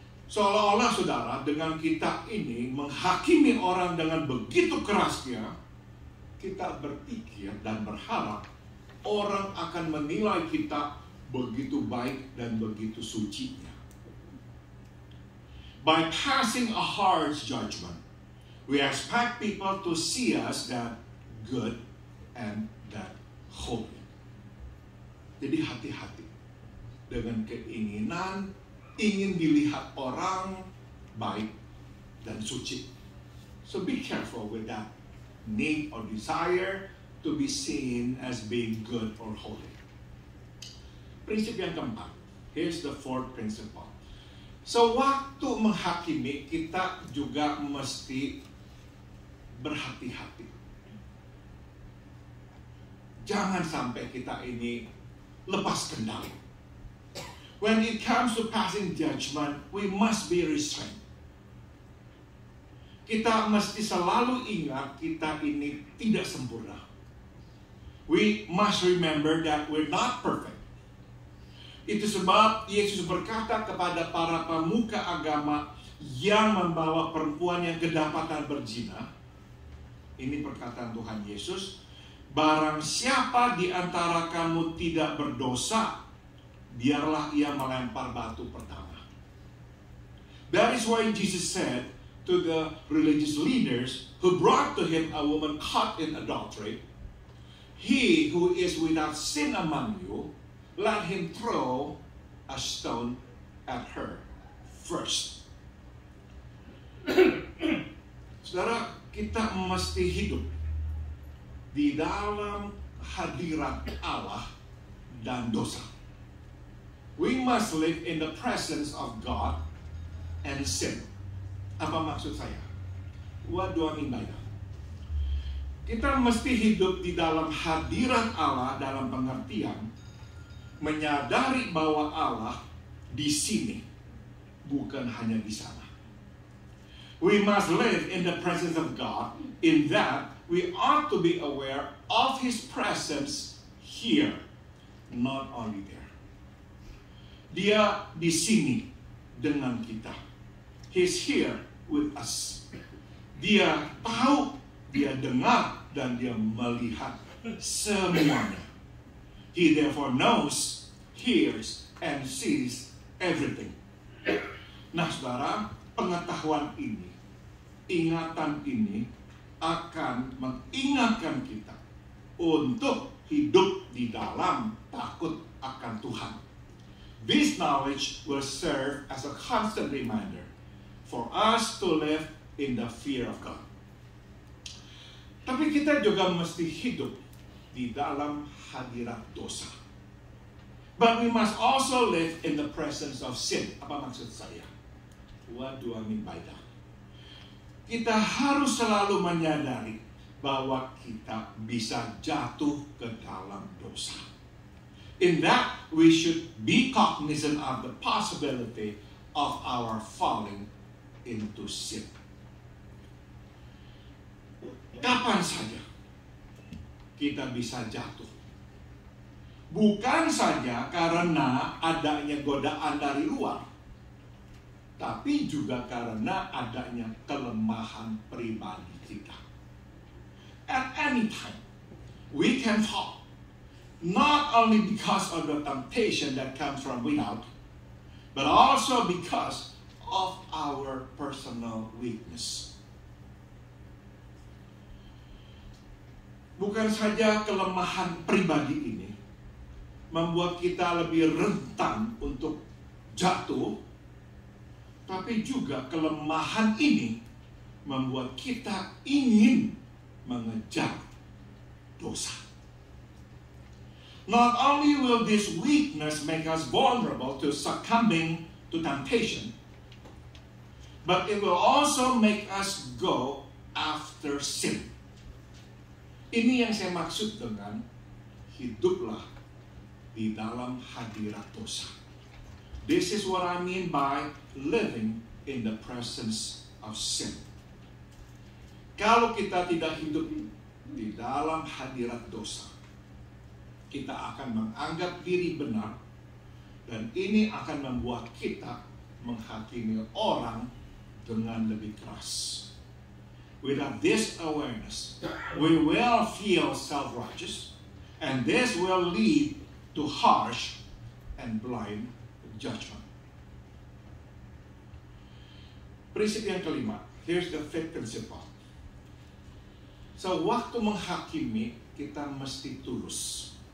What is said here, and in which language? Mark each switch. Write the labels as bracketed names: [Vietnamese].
[Indonesian] Seolah-olah saudara, dengan kita ini menghakimi orang dengan begitu kerasnya, kita berpikir dan berharap orang akan menilai kita begitu baik dan begitu sucinya. [English] By passing a harsh judgment, we expect people to see us that good and that holy. [Indonesian] Jadi hati-hati dengan keinginan ingin dilihat orang baik dan suci. [English] So be careful with that need or desire to be seen as being good or holy. [Indonesian] Prinsip yang keempat, [English] here's the fourth principle. [Indonesian] So waktu menghakimi, kita juga mesti berhati-hati. Jangan sampai kita ini lepas kendali. [English] When it comes to passing judgment, we must be restrained. [Indonesian] Kita mesti selalu ingat kita ini tidak sempurna. [English] We must remember that we're not perfect. [Indonesian] Itu sebab Yesus berkata kepada para pemuka agama yang membawa perempuan yang kedapatan berzina, Ini perkataan Tuhan Yesus. Barang siapa di antara kamu tidak berdosa, biarlah ia melempar batu pertama. [English] That is why Jesus said to the religious leaders who brought to him a woman caught in adultery, he who is without sin among you, let him throw a stone at her first. [Indonesian] Saudara, kita mesti hidup di dalam hadirat Allah dan dosa. [English] We must live in the presence of God and sin. [Indonesian] Apa maksud saya? [English] What do I mean by that? [Indonesian] Kita mesti hidup di dalam hadirat Allah dalam pengertian menyadari bahwa Allah di sini, bukan hanya di sana. [English] We must live in the presence of God in that we ought to be aware of His presence here, not only there. [Indonesian] Dia di sini dengan kita. [English] He's here with us. [Indonesian] Dia tahu, dia dengar, dan dia melihat semuanya. [English] He therefore knows, hears, and sees everything. [Indonesian] Nah, saudara, pengetahuan ini, ingatan ini akan mengingatkan kita untuk hidup di dalam takut akan Tuhan. [English] This knowledge will serve as a constant reminder for us to live in the fear of God. [Indonesian] Tapi kita juga mesti hidup di dalam hadirat dosa. [English] But we must also live in the presence of sin. [Indonesian] Apa maksud saya? [English] What do I mean by that? [Indonesian] Kita harus selalu menyadari bahwa kita bisa jatuh ke dalam dosa. [English] In that, we should be cognizant of the possibility of our falling into sin. [Indonesian] Kapan saja kita bisa jatuh? Bukan saja karena adanya godaan dari luar, tapi juga karena adanya kelemahan pribadi kita. [English] At any time, we can fall, not only because of the temptation that comes from without, but also because of our personal weakness. [Indonesian] Bukan saja kelemahan pribadi ini membuat kita lebih rentan untuk jatuh, tapi juga kelemahan ini membuat kita ingin mengejar dosa. [English] Not only will this weakness make us vulnerable to succumbing to temptation, but it will also make us go after sin. [Indonesian] Ini yang saya maksud dengan hiduplah di dalam hadirat dosa. [English] This is what I mean by living in the presence of sin. [Indonesian] Kalau kita tidak hidup di dalam hadirat dosa, kita akan menganggap diri benar, dan ini akan membuat kita menghakimi orang dengan lebih keras. [English] Without this awareness, we will feel self-righteous, and this will lead to harsh and blind judgment. [Indonesian] Prinsip yang kelima, [English] here's the fifth principle. [Indonesian] So, waktu menghakimi, kita mesti tulus.